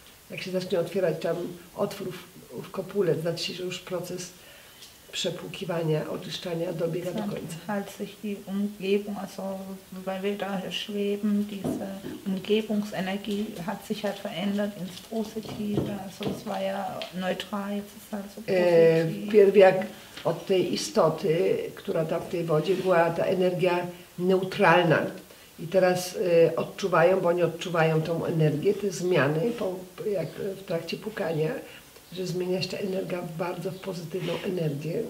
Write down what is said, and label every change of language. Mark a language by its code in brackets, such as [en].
[pl] Jak się zacznie otwierać tam otwór w kopule, to znaczy, że już proces przepłukiwania, oczyszczania dobiega do końca. [de] Als sich die Umgebung, also weil wir da schweben, diese Umgebungsenergie hat sich halt verändert ins Positive, also es war ja neutral, jetzt ist halt so positiv. [pl] Pierwiak od tej istoty, która tam w tej wodzie była, ta energia neutralna. I teraz odczuwają, bo oni odczuwają tą energię, te zmiany po, jak w trakcie pukania, że zmienia się ta energia w bardzo pozytywną energię.